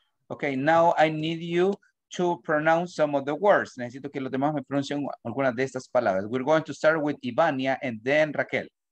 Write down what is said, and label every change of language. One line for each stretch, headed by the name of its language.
English: Okay, now I need you to pronounce some of the words.
Spanish: Necesito que los demás me pronuncien algunas de estas palabras.
English: We're going to start with Ivania and then Raquel.